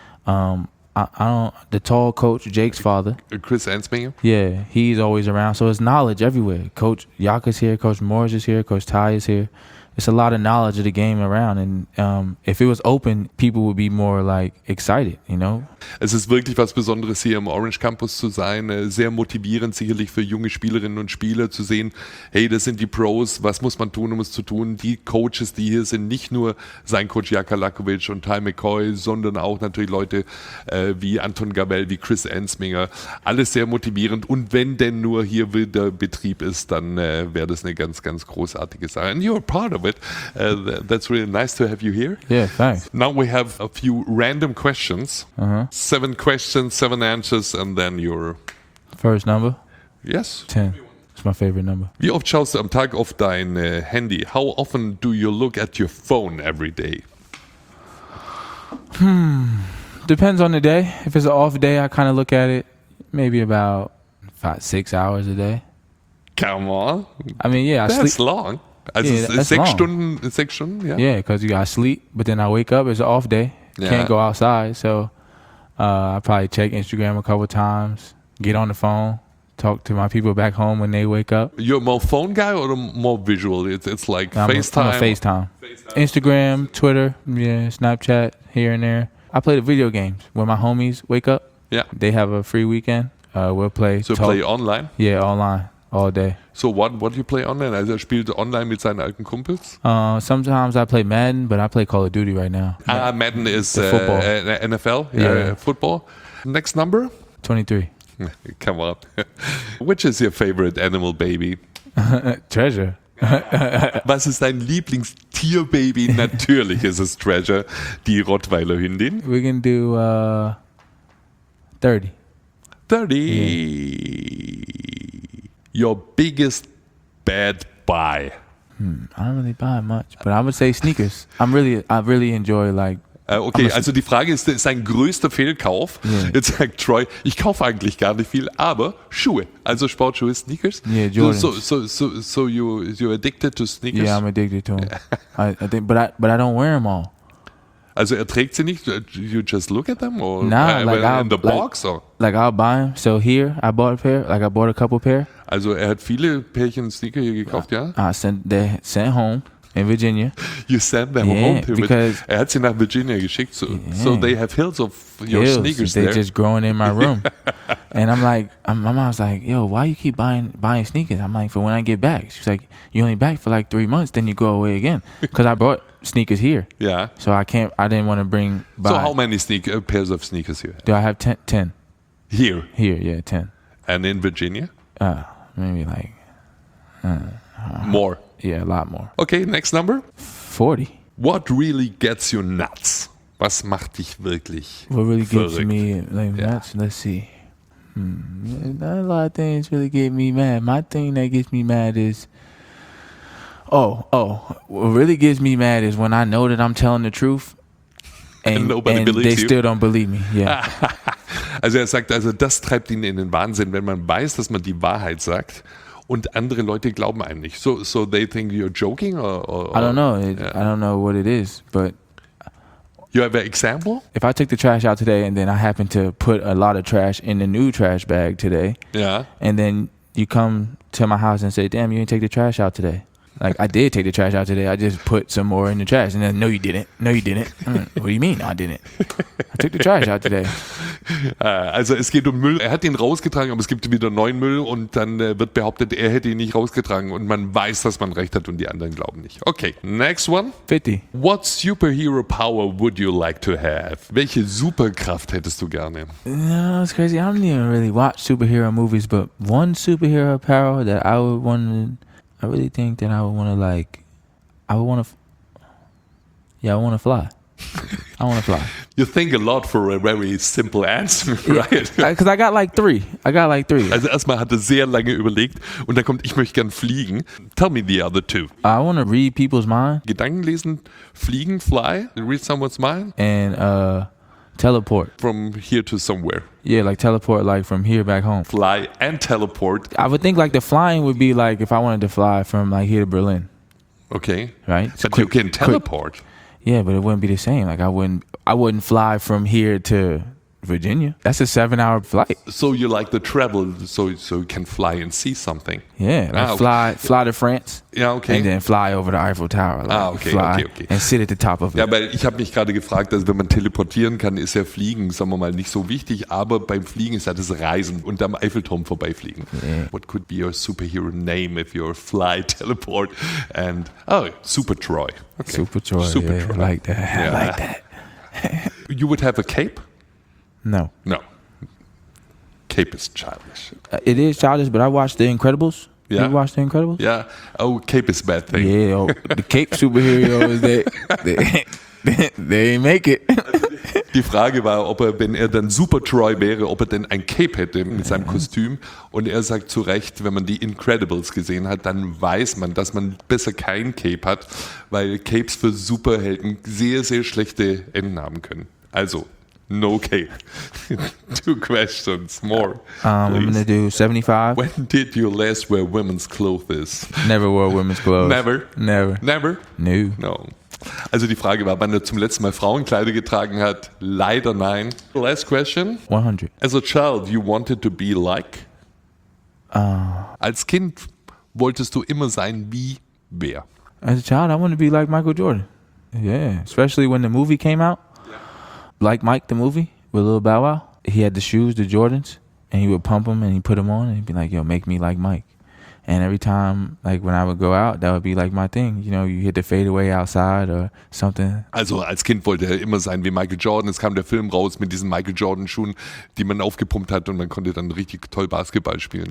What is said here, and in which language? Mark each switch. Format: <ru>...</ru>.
<en>The tall coach, Jake's father. Chris Ansmanger? Yeah, he's always around. So it's knowledge everywhere. Coach Yaka's here, Coach Morris is here, Coach Ty is here. It's a lot of knowledge of the game around, and if it was open, people would be more like excited, you know?</en> <de>Es ist wirklich was Besonderes, hier im Orange Campus zu sein. Sehr motivierend sicherlich für junge Spielerinnen und Spieler zu sehen, hey, das sind die Pros, was muss man tun, um es zu tun? Die Coaches, die hier sind, nicht nur sein Coach Jaka Lakovic und Ty McCoy, sondern auch natürlich Leute wie Anton Gabel, wie Chris Ansminger. Alles sehr motivierend, und wenn denn nur hier wieder Betrieb ist, dann wäre das eine ganz, ganz großartige Sache.</de> <en>And you're part of it. That's really nice to have you here. Yeah, thanks. Now we have a few random questions. Uh-huh. 7 questions, 7 answers, and then your first number? Yes. 10. It's my favorite number.</en> <de>Wie oft schaust du am Tag auf dein Handy?</de> <en>How often do you look at your phone every day? Depends on the day. If it's an off day, I kind of look at it maybe about 5-6 hours a day. Come on. I mean, yeah. That's long. Also yeah, that's 6 long.</en> <de>Stunden, 6 Stunden, yeah.</de> <en>Yeah, because you got sleep, but then I wake up, it's an off day. Yeah. Can't go outside, so... I probably check Instagram a couple times, get on the phone, talk to my people back home when they wake up. You're more phone guy or more visual? It's like I'm FaceTime? I'm a FaceTime. Instagram, Twitter, yeah, Snapchat, here and there. I play the video games. When my homies wake up, yeah, they have a free weekend. We'll play. So talk. Play online? Yeah, online, all day. So what do you play online?</en> <de>Also spielt online mit seinen alten Kumpels?</de> <en>Sometimes I play Madden, but I play Call of Duty right now. Ah, yeah. Madden is football. NFL, yeah. Football. Next number? 23. Come on. Which is your favorite animal baby? Treasure.</en> <de>Was ist dein Lieblingstierbaby? Natürlich ist es Treasure, die Rottweiler Hündin.</de> <en>We can do 30. 30. Yeah. Your biggest bad buy? I don't really buy much, but I would say sneakers. I really enjoy like...</en> <de>Okay, also die Frage ist, sein größter Fehlkauf?</de> <en>Yeah.</en> <de>Jetzt sagt Troy, ich kaufe eigentlich gar nicht viel, aber Schuhe. Also Sportschuhe, Sneakers?</de> <en>Yeah, Jordans. So you're addicted to sneakers? Yeah, I'm addicted to them. I think, but I don't wear them all.</en> <de>Also trägt sie nicht?</de> <en>You just look at them? Or nah, I'll buy them. So here, I bought a pair. Like I bought a couple pair.</en> <de>Also hat viele Pärchen Sneaker hier gekauft, ja?</de> <en>I sent home in Virginia. You sent them yeah, home to because</en> <de>hat sie nach Virginia geschickt.</de> <en>So, yeah. So they have hills of your hills, sneakers they're there. They're just growing in my room. And I'm like, my mom's like, yo, why you keep buying sneakers? I'm like, for when I get back. She's like, you only back for like 3 months, then you go away again. Because I brought sneakers here. Yeah. So I didn't want to bring by. So how many pairs of sneakers here? Do I have 10? Here? Here, yeah, 10. And in Virginia? Maybe like more. Yeah, a lot more. Okay, next number? 40. What really gets you nuts?</en> <de>Was macht dich wirklich</de> <en>What really gets me like, yeah. Let's see. Not a lot of things really get me mad. My thing that gets me mad is, what really gets me mad is when I know that I'm telling the truth and nobody believes you. Still don't believe me. Yeah.</en> <de>Also er sagt, also das treibt ihn in den Wahnsinn, wenn man weiß, dass man die Wahrheit sagt und andere Leute glauben einem nicht.</de> <en>So they think you're joking or I don't know. I don't know what it is, but you have an example? If I took the trash out today and then I happen to put a lot of trash in the new trash bag today. Yeah. And then you come to my house and say, "Damn, you didn't take the trash out today." Like, I did take the trash out today. I just put some more in the trash. And then, no, you didn't. No, you didn't. What do you mean, I didn't? I took the trash out today.</en> <de>Also, es geht um Müll. Er hat ihn rausgetragen, aber es gibt wieder neuen Müll. Und dann wird behauptet, er hätte ihn nicht rausgetragen. Und man weiß, dass man recht hat und die anderen glauben nicht.</de> <en>Okay, next one. 50. What superhero power would you like to have?</en> <de>Welche Superkraft hättest du gerne?</de> <en>No, it's crazy. I don't even really watch superhero movies. But one superhero power that I would want to... I really think that I would want to like, I would want to, yeah, I want to fly. I want to fly. You think a lot for a very simple answer, right? Because I got like three.</en> <de>Also erstmal hatte sehr lange überlegt und dann kommt, ich möchte gern fliegen.</de> <en>Tell me the other two. I want to read people's mind.</en> <de>Gedanken lesen, fliegen,</de> <en>fly, read someone's mind. And teleport. From here to somewhere. Yeah, like teleport, like from here back home. Fly and teleport. I would think like the flying would be like if I wanted to fly from like here to Berlin. Okay. Right? But you can teleport. Yeah, but it wouldn't be the same. Like I wouldn't fly from here to Virginia. That's a 7-hour flight. So you like the travel, so you can fly and see something. Yeah, like fly to France. Yeah, okay. And then fly over the Eiffel Tower. Like okay. And sit at the top of it.</en> <de>Ja, weil ich habe mich gerade gefragt, dass wenn man teleportieren kann, ist ja Fliegen, sagen wir mal, nicht so wichtig. Aber beim Fliegen ist ja das Reisen und am Eiffelturm vorbeifliegen.</de> <en>Yeah. What could be your superhero name if you're fly, teleport, and Super Troy. Okay. Super Troy. Super Troy. Yeah, like that. Yeah. Like that. You would have a cape. No. Cape is childish. It is childish, but I watched The Incredibles. Yeah. You watched The Incredibles? Yeah. Oh, cape is a bad thing. Yeah. Oh, the cape superhero is they make it.</en> <de>Die Frage war, ob er, wenn er dann Super Troy wäre, ob er denn ein Cape hätte mit seinem Kostüm. Und er sagt zu Recht, wenn man die Incredibles gesehen hat, dann weiß man, dass man besser kein Cape hat, weil Capes für Superhelden sehr, sehr schlechte Enden haben können.</de> <en>Also, no cape. Two questions more. I'm going to do 75. When did you last wear women's clothes? Never wore women's clothes. Never? Never. Never? No. No.</en> <de>Also die Frage war, wann er zum letzten Mal Frauenkleider getragen hat. Leider nein.</de> <en>Last question. 100. As a child, you wanted to be like?</en> <de>Als Kind wolltest du immer sein wie wer?</de> <en>As a child, I wanted to be like Michael Jordan. Yeah. Especially when the movie came out. Like Mike, the movie with Lil Bow Wow, he had the shoes, the Jordans, and he would pump them and he put them on and he'd be like, "Yo, make me like Mike." And every time, like when I would go out, that would be like my thing. You know, you hit the fadeaway outside or something.</en> <de>Also als Kind wollte er immer sein wie Michael Jordan. Es kam der Film raus mit diesen Michael Jordan Schuhen, die man aufgepumpt hat und man konnte dann richtig toll Basketball spielen.</de>